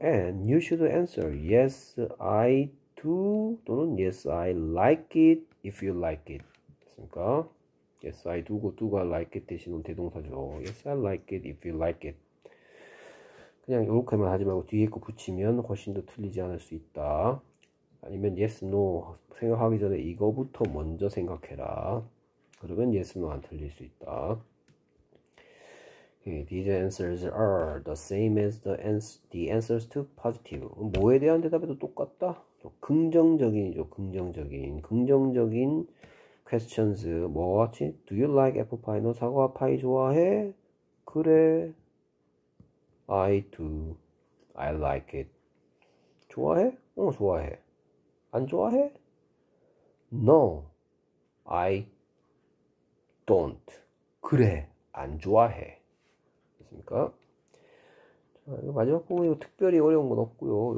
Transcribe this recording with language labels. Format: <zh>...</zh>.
<en>and you should answer yes I do</en> <ko>또는</ko> <en>yes I like it if you like it.</en> <ko>됐습니까?</ko> <en>Yes, I do.</en> <ko>누가 like it 대신 온 대동사죠.</ko> <en>Yes, I like it. If you like it.</en> <ko>그냥 이렇게만 하지 말고 뒤에 거 붙이면 훨씬 더 틀리지 않을 수 있다. 아니면 yes, no 생각하기 전에 이거부터 먼저 생각해라. 그러면 yes, no 안 틀릴 수 있다.</ko> <en>Okay, these answers are the same as the answers to positive.</en> <ko>뭐에 대한 대답에도 똑같다? 긍정적인이죠. 긍정적인. 긍정적인. questions 뭐 같이</ko> <en>do you like apple pie</en> <ko>너 사과 파이 좋아해 그래</ko> <en>I do I like it</en> <ko>좋아해 어 좋아해 안 좋아해</ko> <en>no I don't</en> <ko>그래 안 좋아해 됐습니까 마지막 부분 이거 특별히 어려운 건 없고요.</ko>